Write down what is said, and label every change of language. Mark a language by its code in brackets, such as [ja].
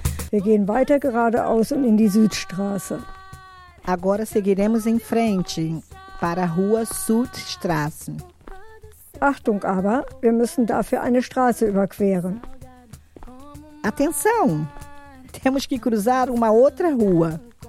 [de] Wir gehen weiter geradeaus und in die Südstraße. [pt] Agora seguiremos em frente para a Rua Südstraße. [de] Achtung aber, wir müssen dafür eine Straße überqueren. [pt] Atenção! Temos que cruzar uma outra rua.